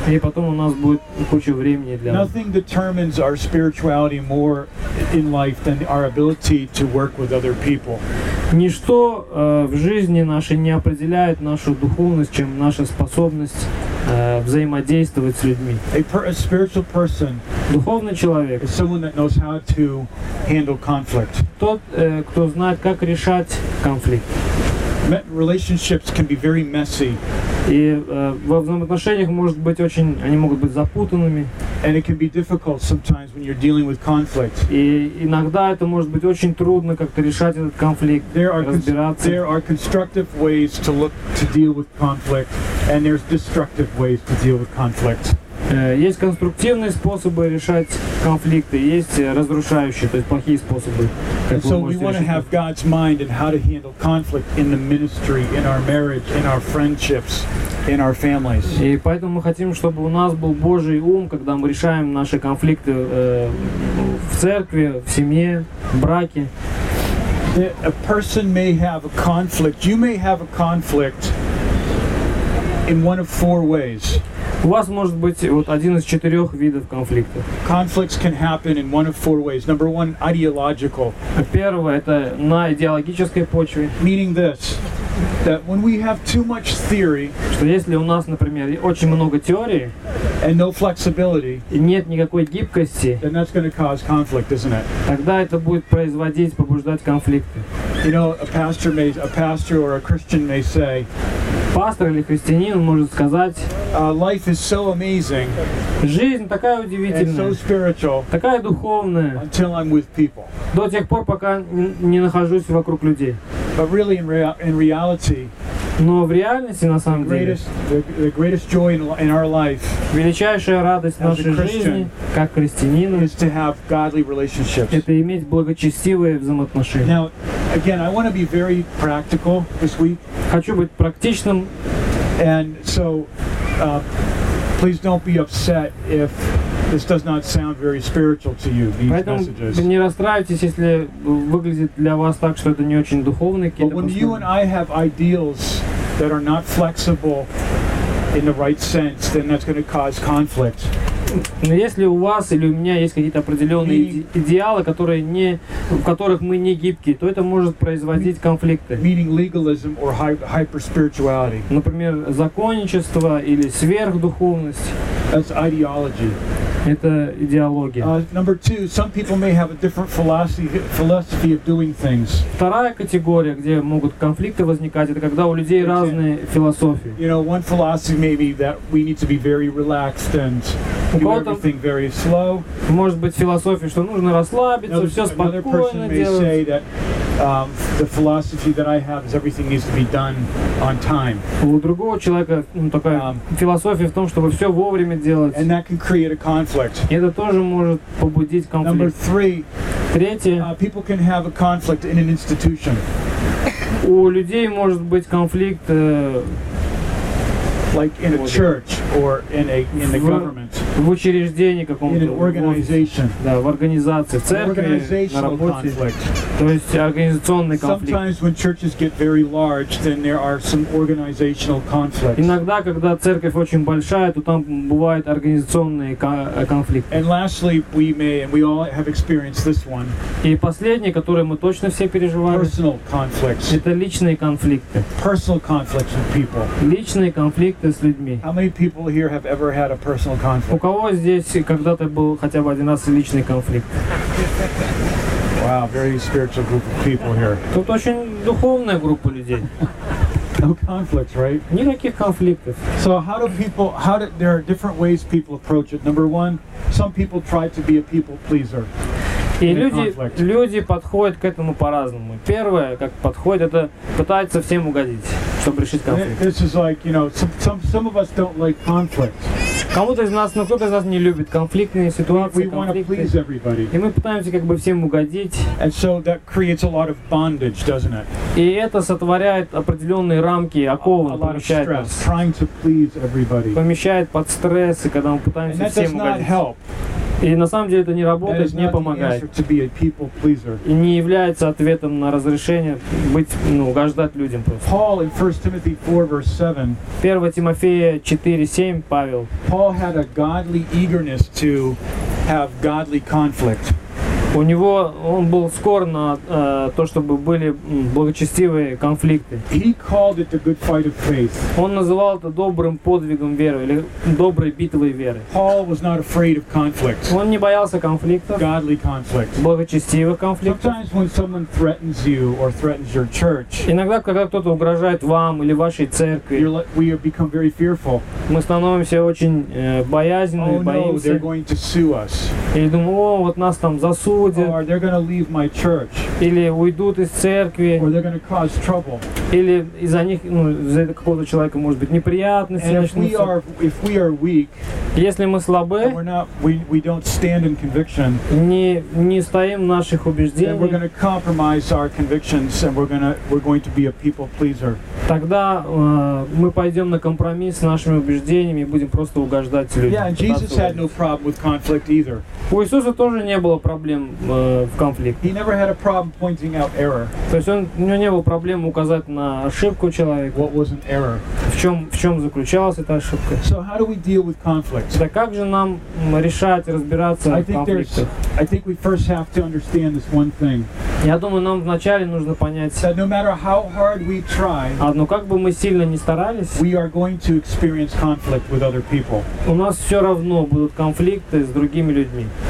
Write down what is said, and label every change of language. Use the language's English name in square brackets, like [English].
[Russian] И потом у нас будет куча времени для. [English] Nothing determines our spirituality more in life than our ability to work with other people. [Russian] Ничто в жизни нашей не определяет нашу духовность, чем наша способность взаимодействовать с людьми. [English] A spiritual person, [Russian] духовный человек, [English] is someone that knows how to handle conflict. [Russian] Тот, кто знает, как решать конфликт. [English] Relationships can be very messy. [Russian] И во взаимоотношениях может быть очень, они могут быть запутанными. [English] And it can be difficult sometimes when you're dealing with conflict. [Russian] И иногда это может быть очень трудно как-то решать этот конфликт, разбираться. [English] There are constructive ways to look to deal with conflict, and there's destructive ways to deal with conflict. [Russian] Есть конструктивные способы решать конфликты, есть разрушающие, то есть плохие способы. [English] And so we want to have God's mind in how to handle conflict in the ministry, in our marriage, in our friendships, in our families. [Russian] И поэтому мы хотим, чтобы у нас был Божий ум, когда мы решаем наши конфликты в церкви, в семье, в браке. [English] A person may have a conflict. You may have a conflict in one of four ways. [Russian] У вас может быть вот один из четырех видов конфликта. [English] Conflicts can happen in one of four ways. Number one, ideological. [Russian] Первое — это на идеологической почве. [English] Meaning this, that when we have too much theory, [Russian] что если у нас, например, очень много теории, [English] and no flexibility, [Russian] и нет никакой гибкости, [English] then that's going to cause conflict, isn't it? [Russian] Тогда это будет производить, побуждать конфликты. [English] You know, a pastor or a Christian may say. [Russian] Пастор или христианин может сказать: [English] life is so amazing, [Russian] жизнь такая удивительная, [English] and so spiritual, [Russian] такая духовная, [English] until I'm with people. [Russian] До тех пор, пока не нахожусь вокруг людей. [English] But really, in reality, [Russian] но в реальности, на самом деле, [English] greatest joy in our life, [Russian] величайшая радость нашей жизни, как христианина, [English] is to have godly relationships. [Russian] Это иметь благочестивые взаимоотношения. [English] Now, again, I want to be very practical this week. [Russian] Хочу быть практичным. [English] And so, please don't be upset if this does not sound very spiritual to you, these [Russian] Поэтому [English] messages. [Russian] Не расстраивайтесь, если выглядит для вас так, что это не очень духовно. [English] But when you and I have ideals that are not flexible in the right sense, then that's going to cause conflict. [Russian] Но если у вас или у меня есть какие-то определенные идеалы, которые не, в которых мы не гибкие, то это может производить конфликты. [English] Meaning legalism or hyper-spirituality. [Russian] Например, законничество или сверхдуховность. [English] That's ideology. [Russian] Это идеология. [English] Number two, some people may have a different philosophy of doing things. [Russian] Вторая категория, где могут конфликты возникать, это когда у людей разные философии. [English] You know, one philosophy may be that we need to be very relaxed and do everything very slow. [Russian] Может быть философия, что нужно расслабиться, все спокойно делать. [English] Another person may say that the philosophy that I have is everything needs to be done on time. [Russian] У другого человека такая философия в том, чтобы все вовремя делать. [English] And that can create a conflict. [Russian] Это тоже может побудить конфликт. [English] Number three. [Russian] Третье. [English] People can have a conflict in an institution. [Russian] У людей может быть конфликт. [English] Like in a church or in the government. [Russian] В учреждении каком-то. [English] In an organization. [Russian] Да, в организации, в церкви, на работе. То есть организационный конфликт. [English] Sometimes when churches get very large, then there are some organizational conflicts. [Russian] Иногда, когда церковь очень большая, то там бывают организационные конфликты. [English] And lastly, we may, and we all have experienced this one. [Russian] И последнее, которое мы точно все переживали. [English] Personal conflicts. [Russian] Это личные конфликты. [English] Personal conflicts with people. [Russian] Личные конфликты с людьми. [English] How many people here have ever had a personal conflict? [Russian] У кого здесь когда-то был хотя бы один раз личный конфликт? [English] Wow, very spiritual group of people here. [Russian] Тут очень духовная группа людей. [English] No conflicts, right? [Russian] Никаких конфликтов. [English] So how do there are different ways people approach it. Number one, some people try to be a people pleaser. [Russian] И люди подходят к этому по-разному. Первое, как подходят, это пытаются всем угодить, чтобы решить конфликт. [English] This is like, you know, some of us don't like conflict. [Russian] Кому-то из нас, кто-то из нас не любит конфликтные ситуации, конфликты. И мы пытаемся как бы всем угодить. [English] So that creates a lot of bondage, doesn't it? [Russian] И это сотворяет определенные рамки, оковы, помещает нас. [English] Trying to please everybody. [Russian] Помещает под стресс, когда мы пытаемся всем угодить. И на самом деле это не работает, не помогает. И не является ответом на разрешение быть, ну, угождать людям просто. [English] Paul in 1 Timothy 4, verse 7. [Russian] 1 Тимофея 4:7, Павел. [English] Paul had a godly eagerness to have godly conflict. [Russian] У него, он был скор на то, чтобы были благочестивые конфликты. [English] He called it a good fight of faith. [Russian] Он называл это добрым подвигом веры, или доброй битвой веры. [English] Paul was not afraid of conflict. [Russian] Он не боялся конфликтов. [English] Godly conflict. [Russian] Благочестивых конфликтов. [English] Sometimes when someone threatens you or threatens your church. [Russian] Иногда, когда кто-то угрожает вам или вашей церкви, [English] we have become very fearful. [Russian] Мы становимся очень боязненными, боимся. [English] Oh no, they're going to sue us. [Russian] И думаю, о, вот нас там засудят. [English] Or they're going to leave my church. [Russian] Или уйдут из церкви. [English] Or they're going to cause trouble. [Russian] Или из-за них, ну, из-за какого-то человека может быть неприятности начнутся. [English] And if we are weak, [Russian] если мы слабы, [English] and we're not, we don't stand in conviction, [Russian] не стоим наших убеждений, [English] then we're going to compromise our convictions and we're going to be a people pleaser. [Russian] Тогда мы пойдем на компромисс с нашими убеждениями и будем просто угождать людям. [English] Yeah, Jesus had no problem with conflict either. [Russian] У Иисуса тоже не было проблем в конфликте. [English] He never had a problem pointing out error. [Russian] То есть у него не было проблем указать на ошибку человека. [English] What was an error? [Russian] В чем заключалась эта ошибка? [English] So how do we deal with conflict? [Russian] Так как же нам решать, разбираться в конфликтах? [English] I think we first have to understand this one thing. [Russian] Я думаю, нам вначале нужно понять, [English] that no matter how hard we try, [Russian] но как бы мы сильно ни старались, [English] we are going to experience conflict with other people. [Russian] У нас все равно будут конфликты с другими людьми.